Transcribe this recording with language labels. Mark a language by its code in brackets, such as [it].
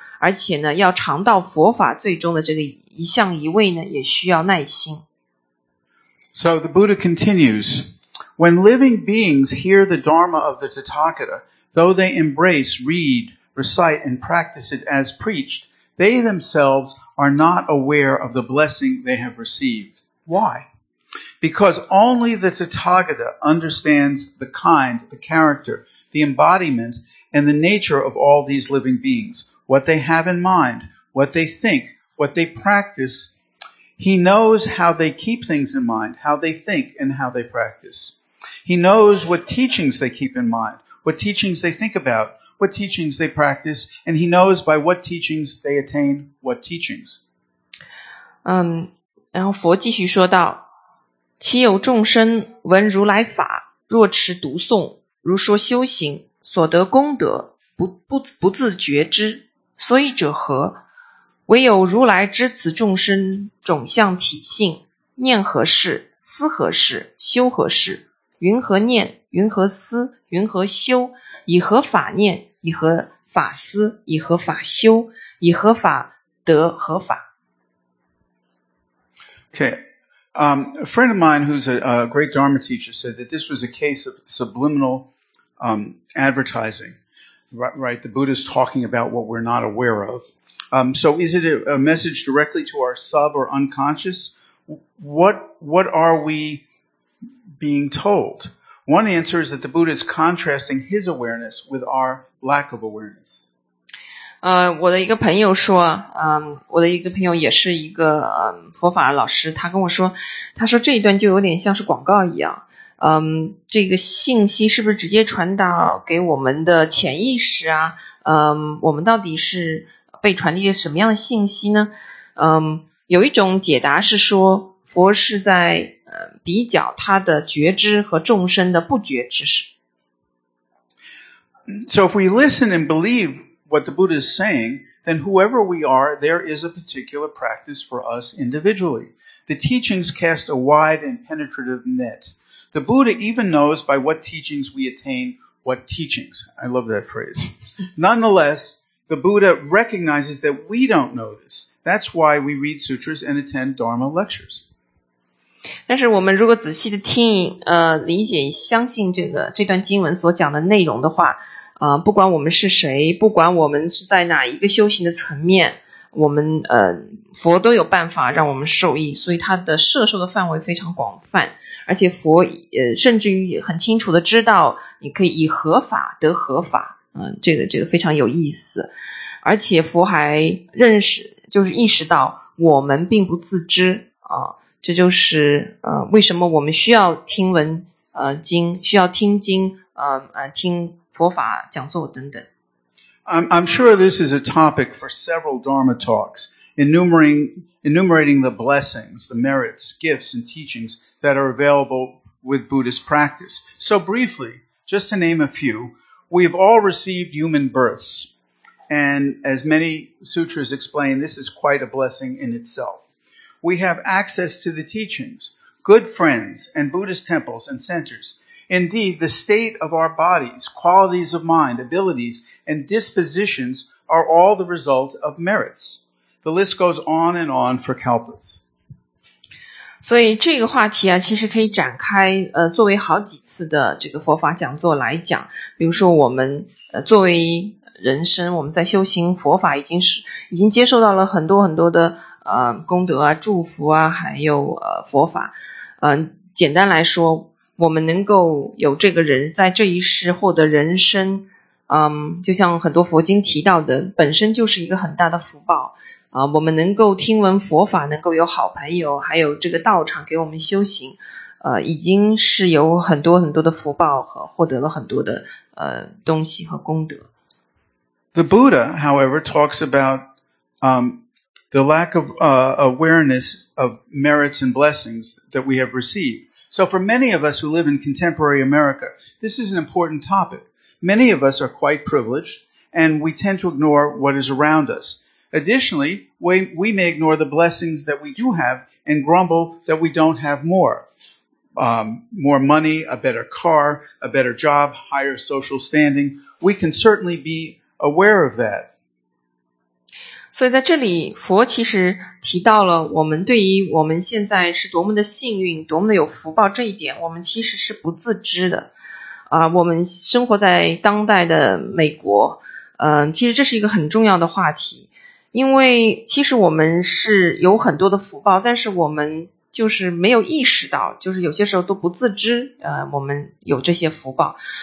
[zh] 而且呢要尝到佛法最终的这个一向一位呢也需要耐心。 [en] So the Buddha continues, when living beings hear the Dharma of the Tathagata, though they embrace, read, recite, and practice it as preached, they themselves are not aware of the blessing they have received. Why? Because only the Tathagata understands the kind, the character, the embodiment, and the nature of all these living beings, what they have in mind, what they think, what they practice. He knows how they keep things in mind, how they think, and how they practice. He knows what teachings they keep in mind, what teachings they think about, what teachings they practice, and he knows by what teachings they attain what teachings. [zh] 然后佛继续说道，其有众生闻如来法，若持读诵，如说修行，所得功德，不自觉知，所以者何？唯有如来知此众生种相体性，念何事，思何事，修何事，云何念，云何思，云何修，以何法念，以何法思，以何法修，以何法得何法。 [en] Okay, a friend of mine who's a great Dharma teacher said that this was a case of subliminal advertising. Right, the Buddha's talking about what we're not aware of. So is it a message directly to our sub or unconscious? What are we being told? One answer is that the Buddha is contrasting his awareness with our lack of awareness. [zh] 我的一个朋友说，我的一个朋友也是一个佛法老师，他跟我说，他说这一段就有点像是广告一样。这个信息是不是直接传导给我们的潜意识啊？我们到底是被传递了什么样的信息呢？有一种解答是说，佛是在比较他的觉知和众生的不觉知。 [en] So if we listen and believe what the Buddha is saying, then whoever we are, there is a particular practice for us individually. The teachings cast a wide and penetrative net. The Buddha even knows by what teachings we attain what teachings. I love that phrase. Nonetheless, the Buddha recognizes that we don't know this. That's why we read sutras and attend Dharma lectures. [zh] 但是我们如果仔细的听，理解，相信这段经文所讲的内容的话，不管我们是谁，不管我们是在哪一个修行的层面，我们佛都有办法让我们受益，所以他的摄受的范围非常广泛，而且佛甚至于很清楚的知道你可以以何法得何法。这个非常有意思，而且佛还认识，就是意识到我们并不自知啊，这就是为什么我们需要听闻经，需要听经，听佛法讲座等等。 [en] I'm sure this is a topic for several Dharma talks, enumerating the blessings, the merits, gifts, and teachings that are available with Buddhist practice. So briefly, just to name a few. We've all received human births, and as many sutras explain, this is quite a blessing in itself. We have access to the teachings, good friends, and Buddhist temples and centers. Indeed, the state of our bodies, qualities of mind, abilities, and dispositions are all the result of merits. The list goes on and on for Kalpas. [zh] 所以这个话题啊，其实可以展开，作为好几次的这个佛法讲座来讲。比如说我们作为人生，我们在修行佛法已经接受到了很多很多的功德啊、祝福啊，还有佛法。简单来说，我们能够有这个人在这一世获得人生，就像很多佛经提到的，本身就是一个很大的福报。我们能够听闻佛法，能够有好朋友，还有这个道场给我们修行，已经是有很多很多的福报和获得了很多的东西和功德。 [en] The Buddha, however, talks about the lack of awareness of merits and blessings that we have received. So for many of us who live in contemporary America, this is an important topic. Many of us are quite privileged, and we tend to ignore what is around us. Additionally, we may ignore the blessings that we do have and grumble that we don't have more. More money, a better car, a better job, higher social standing. We can certainly be aware of that. [zh] 所以在这里佛其实提到了我们对于我们现在是多么的幸运，多么的有福报，这一点我们其实是不自知的。我们生活在当代的美国，其实这是一个很重要的话题，因为其实我们是有很多的福报，但是我们就是没有意识到，就是有些时候都不自知，我们有这些福报。